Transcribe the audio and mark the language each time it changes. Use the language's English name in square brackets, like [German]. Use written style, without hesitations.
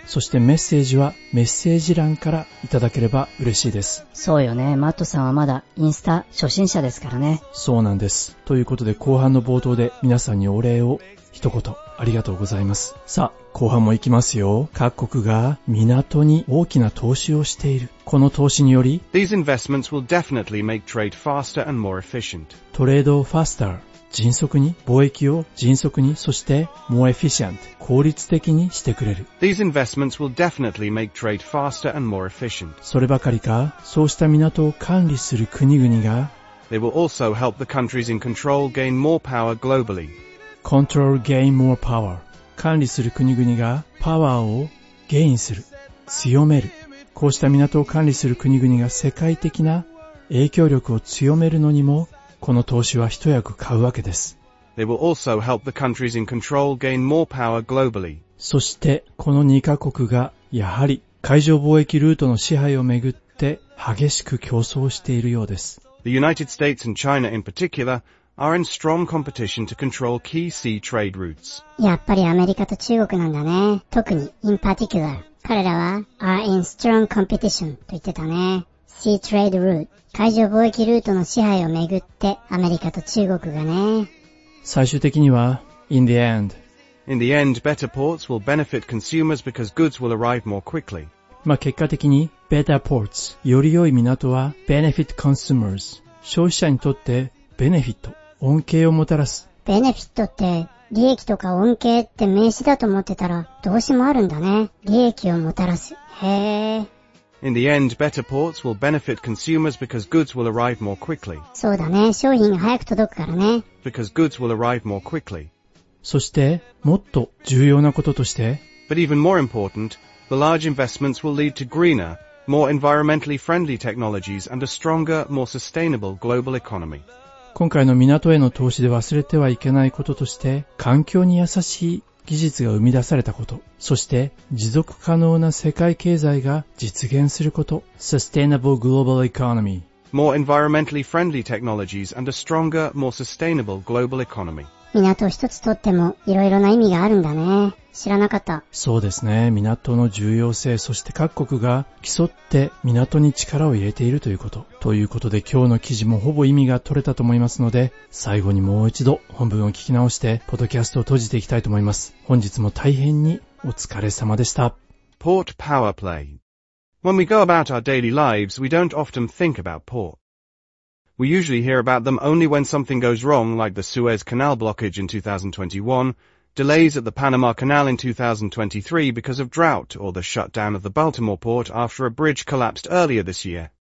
[Japanese] そしてメッセージはメッセージ欄からいただければ嬉しいです。そうよね、マットさんはまだインスタ初心者ですからね。そうなんです。ということで、後半の冒頭で皆さんにお礼を一言ありがとうございます。さあ、後半も行きますよ。各国が港に大きな投資をしている。この投資により、 [English] These investments will definitely make trade faster and more efficient. [Japanese] トレードをファスター、迅速に、貿易を迅速に、そして [English] more efficient、 [Japanese] 効率的にしてくれる。 [English] These investments will definitely make trade faster and more efficient. [Japanese] そればかりか、そうした港を管理する国々が、 [English] They will also help the countries in control gain more power globally. Control gain more power. [Japanese] 管理する国々がパワーをゲインする、強める。こうした港を管理する国々が世界的な影響力を強めるのにも、この投資は一役買うわけです。 [English] They will also help the countries in control gain more power globally. [Japanese] そしてこの2カ国がやはり海上貿易ルートの支配をめぐって激しく競争しているようです。 [English] The United States and China in particular are in strong competition to control key sea trade routes. [Japanese] やっぱりアメリカと中国なんだね。特に [English] in particular [Japanese] 彼らは [English] are in strong competition [Japanese] と言ってたね。 [English] Sea trade route [Japanese] 海上貿易ルートの支配をめぐってアメリカと中国がね。最終的には [English] in the end better ports will benefit consumers because goods will arrive more quickly. [Japanese] まあ結果的に [English] better ports [Japanese] より良い港は [English] benefit consumers [Japanese] 消費者にとってベネフィット恩恵をもたらす。ベネフィットって利益とか恩恵って名詞だと思ってたら動詞もあるんだね。利益をもたらす。へえ。 [English] In the end, better ports will benefit consumers because goods will arrive more quickly. [Japanese] そうだね。商品が早く届くからね。 [English] Because goods will arrive more quickly. [Japanese] そしてもっと重要なこととして。 [English] But even more important, the large investments will lead to greener, more environmentally friendly technologies and a stronger, more sustainable global economy. [Japanese] 今回の港への投資で忘れてはいけないこととして、環境に優しい技術が生み出されたこと、そして持続可能な世界経済が実現すること。 [English] Sustainable global economy. More environmentally friendly technologies and a stronger, more sustainable global economy. [Japanese] 港一つ取ってもいろいろな意味があるんだね。知らなかった。そうですね。港の重要性、そして各国が競って港に力を入れているということ。ということで今日の記事もほぼ意味が取れたと思いますので、最後にもう一度本文を聞き直して、ポッドキャストを閉じていきたいと思います。本日も大変にお疲れ様でした。 [English] Port Power Play. When we go about our daily lives, we don't often think about port. We usually hear about them only when something goes wrong, like the Suez Canal blockage in 2021,Delays at the Panama Canal in 2023 because of drought or the shutdown of the Baltimore port after a bridge collapsed earlier this year.